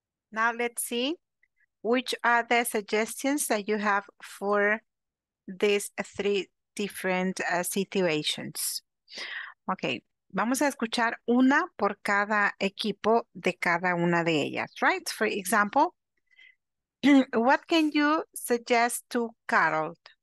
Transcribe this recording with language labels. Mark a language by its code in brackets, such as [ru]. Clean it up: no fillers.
[en] Now let's see which are the suggestions that you have for these three different situations. [es] Okay, vamos a escuchar una por cada equipo de cada una de ellas, [en] right? For example, what can you suggest to Carol?